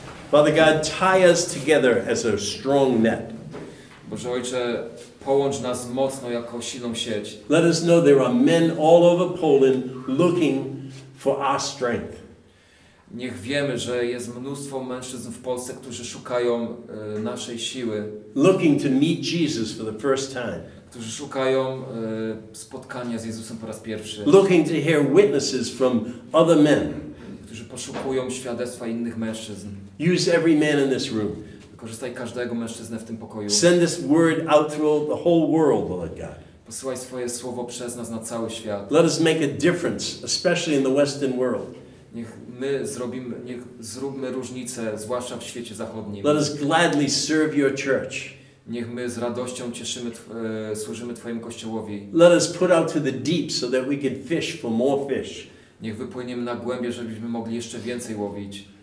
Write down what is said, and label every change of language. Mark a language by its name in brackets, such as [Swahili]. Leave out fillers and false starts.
[English] Father God, tie us together as a strong net. [Polish] Boże Ojcze, połącz nas mocno jako silną sieć. [English] Let us know there are men all over Poland looking for our strength. [Polish] Niech wiemy, że jest mnóstwo mężczyzn w Polsce, którzy szukają naszej siły. [English] Looking to meet Jesus for the first time. [Polish] Którzy szukają spotkania z Jezusem po raz pierwszy. [English] Looking to hear witnesses from other men. [Polish] Którzy poszukują świadectwa innych mężczyzn. [English] Use every man in this room. [Polish] Wykorzystaj każdego mężczyznę w tym pokoju. [English] Send this word out through the whole world, Lord God. [Polish] Posyłaj swoje słowo przez nas na cały świat. [English] Let us make a difference, especially in the Western world. [Polish] Niech zróbmy różnicę, zwłaszcza w świecie zachodnim. [English] Let us gladly serve your church. [Polish] Niech my z radością służymy Twojemu Kościołowi. [English] Let us put out to the deep so that we can fish for more fish. [Polish] Niech wypłyniemy na głębie, żebyśmy mogli jeszcze więcej łowić.